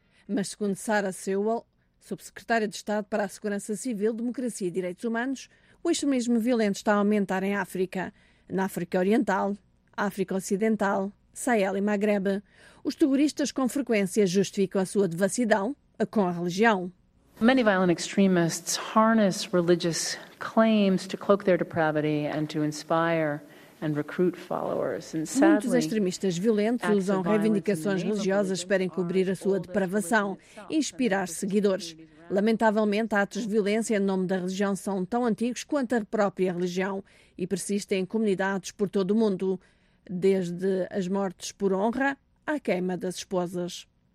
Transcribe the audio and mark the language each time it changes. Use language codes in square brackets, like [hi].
[pt] Mas, segundo Sarah Sewell, subsecretária de Estado para a Segurança Civil, Democracia e Direitos Humanos, o extremismo violento está a aumentar em África, na África Oriental, África Ocidental, Sahel e Maghreb. Os terroristas com frequência justificam a sua devassidão com a religião. [en] Many violent extremists harness religious claims to cloak their depravity and to inspire and recruit followers. And sadly, [pt] muitos extremistas violentos usam reivindicações religiosas para encobrir a sua depravação e inspirar seguidores. Lamentavelmente, atos de violência em nome da religião são tão antigos quanto a própria religião e persistem em comunidades por todo o mundo, desde as mortes por honra à queima das esposas.